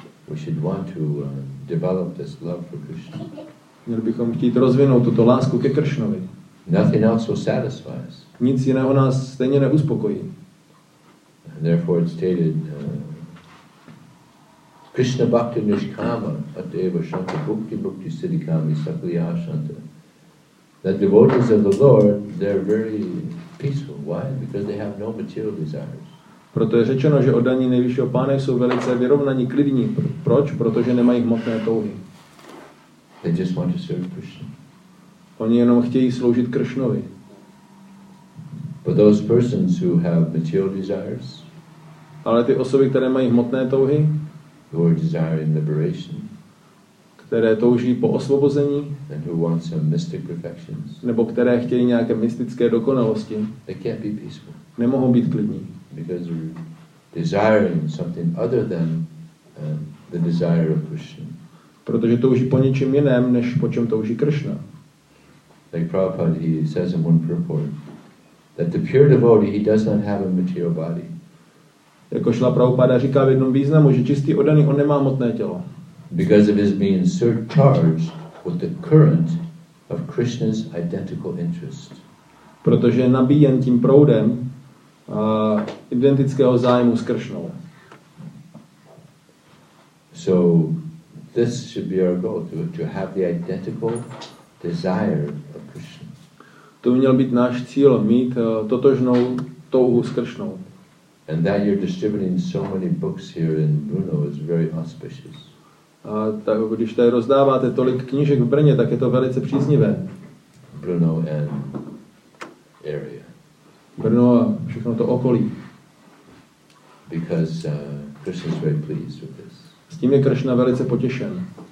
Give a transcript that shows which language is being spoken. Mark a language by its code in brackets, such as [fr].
[en] We should want to develop this love for Krishna. [cs] Měli bychom chtít rozvinout tuto lásku ke Kršnovi. [en] Nothing else will satisfy us. [cs] Nic jiného nás stejně neuspokojí. [en] And therefore it's stated [sa] Krishna bhakti nishkama ateva shanta bhukti bhukti siddhikami sakliya shanta. [en] The devotees of the Lord, they're very peaceful. Why? Because they have no material desires. [cs] Proto je řečeno, že oddaní nejvyššího pána jsou velice vyrovnaní, klidní. Proč? Protože nemají hmotné touhy. [en] They just want to serve Krishna. [cs] Oni jenom chtějí sloužit Kršnovi. [en] But those persons who have material desires, [cs] ale ty osoby, které mají hmotné touhy, [en] who are desiring liberation, [cs] které touží po osvobození, [en] and who want some mystic perfections, [cs] nebo které chtějí nějaké mystické dokonalosti, [en] they can't be peaceful. [cs] Nemohou být klidní. [en] Because they're desiring something other than the desire of Krishna. [cs] Protože touží po něčem jiném, než po čem touží Krishna. [en] Like Prabhupada, he says in one purport, that the pure devotee, he does not have a material body. [cs] Jako Šla Prabhupada říká v jednom významu, že čistý oddaný, on nemá hmotné tělo. [en] Because of his being surcharged with the current of Krishna's identical interest. [cs] Protože je nabíjen tím proudem identického zájmu s Kršnou. [en] So this should be our goal, to have the identical desire of Krishna. [cs] To měl být náš cíl, mít totožnou touhu s Kršnou. [en] And that you're distributing so many books here in Brno is very auspicious. [cs] A tak, když tady rozdáváte tolik knížek v Brně, tak je to velice příznivé. [en] Brno and area. [cs] Brno a všechno to okolí. [en] Because Krishna is very pleased with this. [cs] S tím je Krishna velice potěšen.